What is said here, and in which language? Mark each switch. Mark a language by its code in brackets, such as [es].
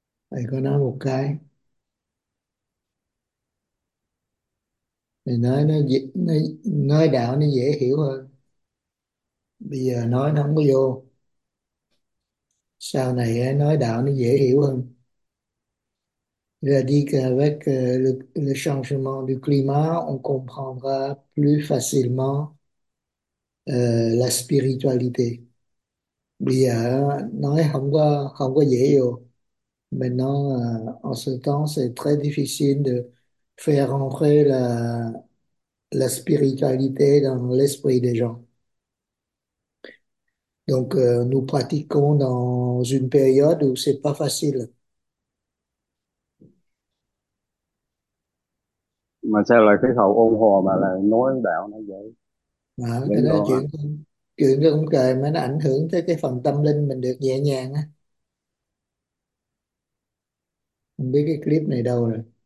[vi] Thầy có nói một cái. Thầy nói nó dễ, nói đạo nó dễ hiểu hơn. Bây giờ nói nó không có vô. Sau này nói đạo nó dễ hiểu hơn. [fr] Il a dit qu'avec le changement du climat, on comprendra plus facilement la spiritualité. [vi] Bây giờ nói không có dễ vô. [fr] Maintenant, en ce temps, c'est très difficile de faire entrer la spiritualité dans l'esprit des gens. Donc, nous pratiquons dans une période où c'est pas facile. [vi] Mà sao lại cái khẩu ôn hòa mà lại nói đạo nó Đó, vậy? Đến đó đâu hả? chuyện cái ông trời mà nó ảnh hưởng tới cái phần tâm linh mình được nhẹ nhàng á. Không biết cái clip này đâu rồi.